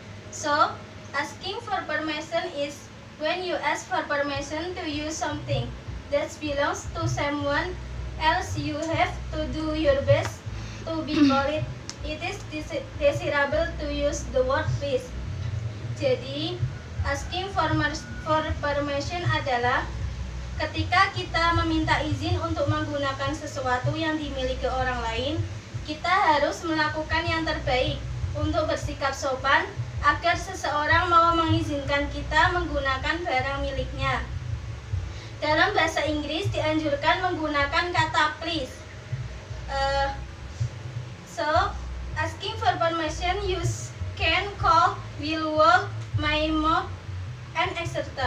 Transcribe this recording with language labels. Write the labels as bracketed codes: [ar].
[en] So, asking for permission is when you ask for permission to use something that belongs to someone else, you have to do your best to be polite. It is desirable to use the word please. [id] Jadi, asking for permission adalah ketika kita meminta izin untuk menggunakan sesuatu yang dimiliki orang lain, kita harus melakukan yang terbaik untuk bersikap sopan agar seseorang mau mengizinkan kita menggunakan barang miliknya. Dalam bahasa Inggris dianjurkan menggunakan kata please. [en] So, asking for permission you can call, will walk, my mom, and etc.